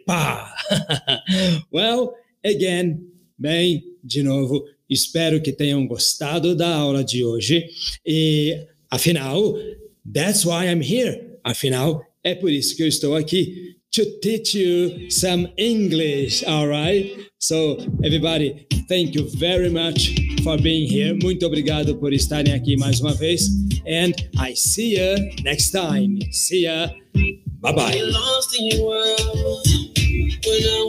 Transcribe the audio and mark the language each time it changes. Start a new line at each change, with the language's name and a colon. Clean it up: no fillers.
Portuguese: Pá!
English: Well, again,
Portuguese: bem, de novo, espero que tenham gostado da aula de hoje. E, afinal,
English: that's why I'm here.
Portuguese: Afinal, é por isso que eu estou aqui.
English: To teach you some English, all right? So, everybody, thank you very much for being here.
Portuguese: Muito obrigado por estarem aqui mais uma vez.
English: And I see you next time. See ya. Bye-bye.